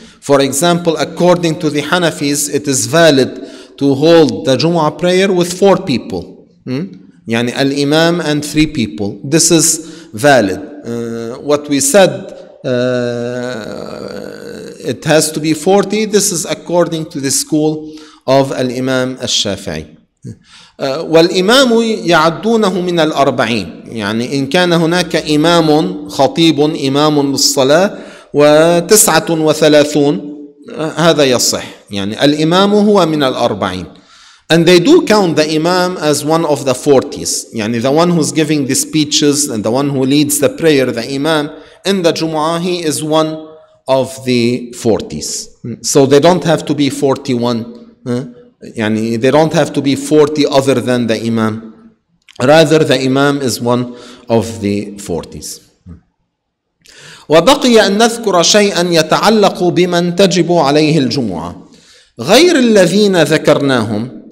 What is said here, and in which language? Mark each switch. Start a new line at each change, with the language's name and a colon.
English: For example, according to the Hanafis, it is valid to hold the Jumu'ah prayer with 4 people. يعني الإمام and 3 people. This is valid. What we said, it has to be 40. This is according to the school of al-Imam al-Shafi'i.
Arabic: والإمام يعدونه من الأربعين، يعني إن كان هناك إمام خطيب إمام للصلاة وتسعة وثلاثون هذا يصح، يعني الإمام هو من الأربعين.
English: And they do count the Imam as one of the 40s. يعني the one who's giving the speeches and the one who leads the prayer, the Imam in the Jumu'ah, he is one of the 40s. So they don't have to be 41. يعني they don't have to be 40 other than the Imam. Rather, the Imam is one of the 40s.
Arabic: وبقي أن نذكر شيئا يتعلق بمن تجب عليه الجمعة غير الذين ذكرناهم.